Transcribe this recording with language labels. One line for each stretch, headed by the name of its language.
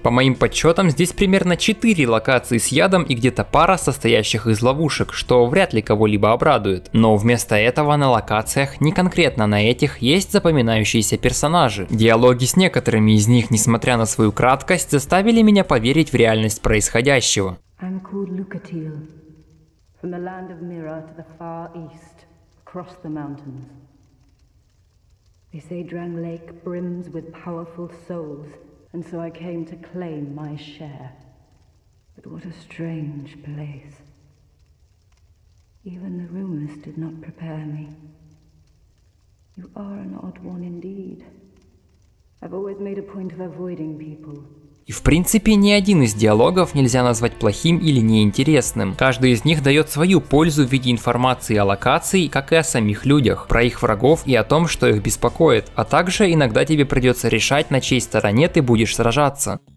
Russian: По моим подсчетам, здесь примерно 4 локации с ядом и где-то пара состоящих из ловушек, что вряд ли кого-либо обрадует. Но вместо этого на локациях, не конкретно на этих, есть запоминающиеся персонажи. Диалоги с некоторыми из них, несмотря на свою краткость, заставили меня поверить в реальность происходящего.
English: I'm called Lucatiel, from the land of Mira to the far east, across the mountains. They say Drang Lake brims with powerful souls, and so I came to claim my share. But what a strange place. Even the rumors did not prepare me. You are an odd one indeed. I've always made a point of avoiding people.
Russian: И в принципе ни один из диалогов нельзя назвать плохим или неинтересным. Каждый из них дает свою пользу в виде информации о локации, как и о самих людях, про их врагов и о том, что их беспокоит, а также иногда тебе придется решать, на чьей стороне ты будешь сражаться.